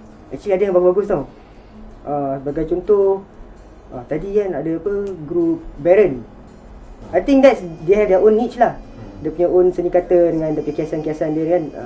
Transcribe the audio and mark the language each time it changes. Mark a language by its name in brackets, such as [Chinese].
[English] Actually [Malay] ada yang bagus-bagus tau. Sebagai contoh, tadi kan ada apa, group Baron. [English] I think that they have their own niche lah. [Malay] Dia punya own seni kata dengan dia punya kiasan-kiasan dia kan.